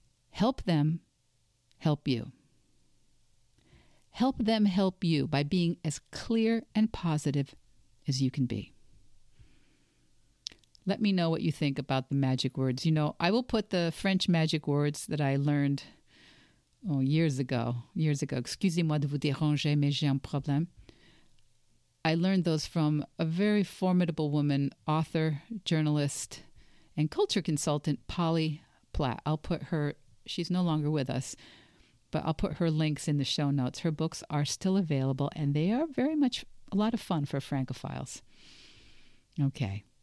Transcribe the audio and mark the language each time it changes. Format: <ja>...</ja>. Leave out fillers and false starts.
<en>Help them help you. Help them help you by being as clear and positive as you can be. Let me know what you think about the magic words. You know, I will put the French magic words that I learned years ago.</en> <fr>Excusez-moi de vous déranger, mais j'ai un problème.</fr> <en>I learned those from a very formidable woman, author, journalist, and culture consultant, Polly Platt. She's no longer with us, but I'll put her links in the show notes. Her books are still available, and they are very much a lot of fun for Francophiles. Okay.</en>